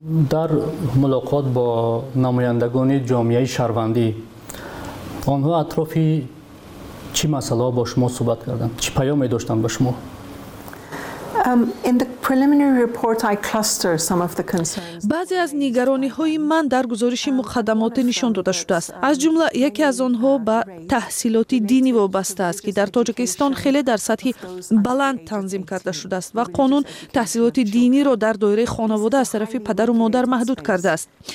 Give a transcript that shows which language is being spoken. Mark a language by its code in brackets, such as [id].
[fa] در ملاقات با نمایندگان جامعه شهروندی، آنها اطراف چی مسئله با شما صحبت کردند؟ چی پیامی داشتند به شما؟ [en] In the preliminary report I cluster some of the concerns. [fa] بعضی از نگرانی‌های من در گزارش مقدمات نشان داده شده است. از جمله یکی از آنها به تحصیلات دینی وابسته است که در تاجیکستان خیلی در سطح بلند تنظیم کرده شده است و قانون تحصیلات دینی را در دایره خانواده از طرف پدر و مادر محدود کرده است.